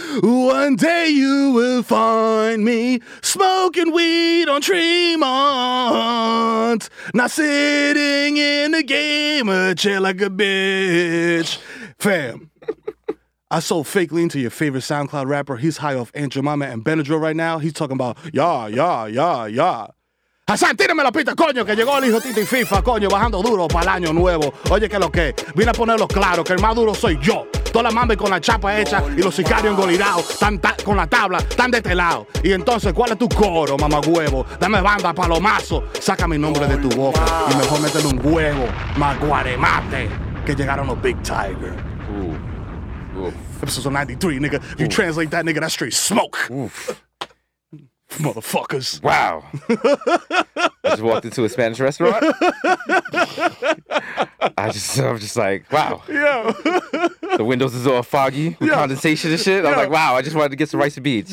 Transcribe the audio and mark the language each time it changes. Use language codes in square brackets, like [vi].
[en] One day you will find me smoking weed on Tremont. Not sitting in a gamer chair like a bitch. Fam, I sold fake lean to your favorite SoundCloud rapper. He's high off Andrew Mama and Benadryl right now. He's talking about, yeah. [es] Hassan, tírame la pista, coño, que llegó el hijo Titi FIFA, coño, bajando duro para el año nuevo. Oye, que lo que, vine a ponerlo claro, que el más duro soy yo. Toda la mami con la chapa hecha y los sicarios engolirados, tan con la tabla, tan de este lado. Y entonces, ¿cuál es tu coro, mamá huevo? Dame banda, palomazo, saca mi nombre de tu boca y mejor métele un huevo, maguaremate, que llegaron los Big Tiger. [en] Episode 93, nigga. If you translate that, nigga, that's straight smoke. Oof. Motherfuckers. Wow. I just walked into a Spanish restaurant. I'm just like, wow. Yeah. The windows is all foggy with condensation and shit. Yeah. I'm like, wow, I just wanted to get some rice and beans.